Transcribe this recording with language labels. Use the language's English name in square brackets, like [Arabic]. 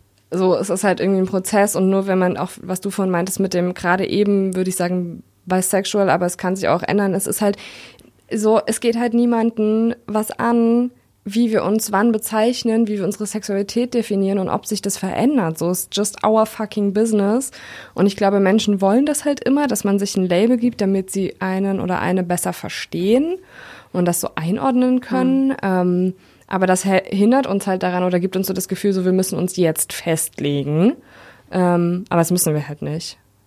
[German] So, es ist halt irgendwie ein Prozess. Und nur wenn man auch, was du vorhin meintest mit dem gerade eben, würde ich sagen, bisexual, aber es kann sich auch ändern. Es ist halt so, es geht halt niemanden was an, wie wir uns wann bezeichnen, wie wir unsere Sexualität definieren und ob sich das verändert. [English] So, it's just our fucking business. [German] Und ich glaube, Menschen wollen das halt immer, dass man sich ein Label gibt, damit sie einen oder eine besser verstehen und das so einordnen können. Aber das hindert uns halt daran oder gibt uns so das Gefühl, so wir müssen uns jetzt festlegen. Aber das müssen wir halt nicht.